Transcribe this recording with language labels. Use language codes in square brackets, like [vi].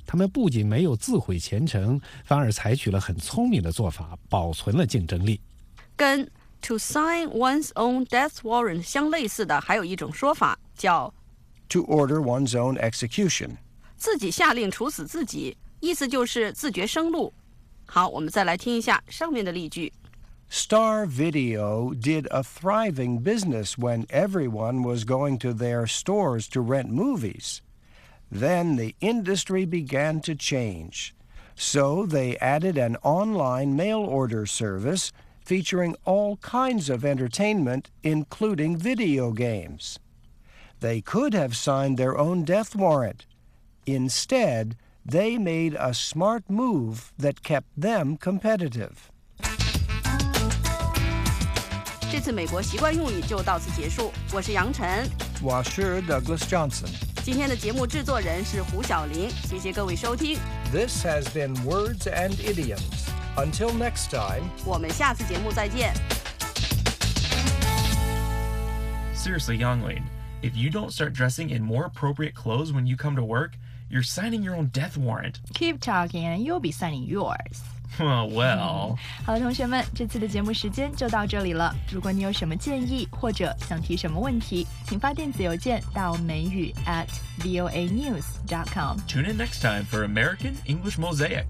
[zh] 他们不仅没有自毁前程，反而采取了很聪明的做法，保存了竞争力。跟 [en] To sign one's own death warrant [zh] 相类似的还有一种说法叫 [en] To order one's own execution [zh] 自己下令处死自己，意思就是自绝生路。好，我们再来听一下上面的例句。 [en] Star Video did a thriving business when everyone was going to their stores to rent movies. Then the industry began to change. So they added an online mail order serviceFeaturing all kinds of entertainment, including video games. They could have signed their own death warrant. Instead, they made a smart move that kept them competitive. [zh] 这次美国习惯用语就到此结束。我是杨晨。我是 Douglas Johnson。今天的节目制作人是胡晓玲。谢谢各位收听。 [en] This has been Words and Idioms. Until next time, [zh] 我们下次节目再见。 [en] Seriously, Yonglin, if you don't start dressing in more appropriate clothes when you come to work, you're signing your own death warrant. Keep talking, and you'll be signing yours. Well. [zh] 好了，同学们，这次的节目时间就到这里了。如果你有什么建议或者想提什么问题，请发电子邮件到美语@voanews.com. [en] Tune in next time for American English Mosaic.